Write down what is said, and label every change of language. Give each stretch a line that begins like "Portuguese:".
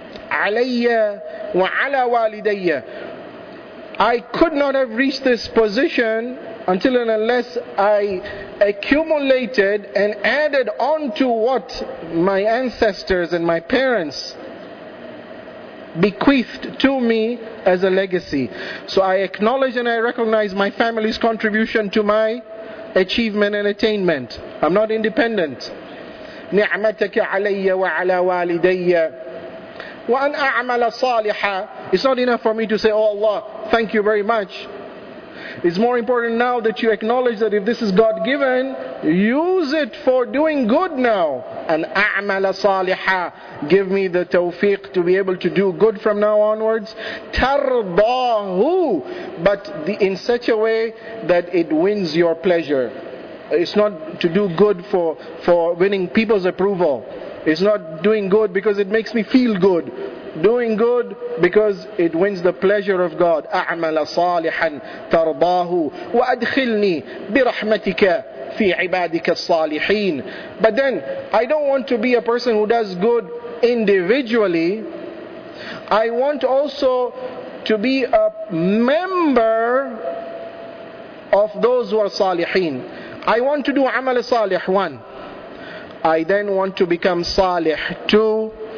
Arabic: Alayya wa ala walidayya.
English: I could not have reached this position until and unless I accumulated and added on to what my ancestors and my parents bequeathed to me as a legacy. So I acknowledge and I recognize my family's contribution to my achievement and attainment. I'm not independent.
Arabic: نعمتك علي وعلى والدي وأن أعمل صالحا.
English: It's not enough for me to say, oh Allah, thank you very much. It's more important now that you acknowledge that if this is God given, use it for doing good now.
Arabic: And أعمل صالحا.
English: Give me the tawfiq to be able to do good from now onwards.
Arabic: ترضاه.
English: But in such a way that it wins your pleasure. It's not to do good for winning people's approval. It's not doing good because it makes me feel good. Doing good because it wins the pleasure of God.
Arabic: أعمل صالحا ترضاه وأدخلني برحمتك في عبادك الصالحين.
English: But then, I don't want to be a person who does good individually. I want also to be a member of those who are صالحين. I want to do amal salih one. I then want to become salih two.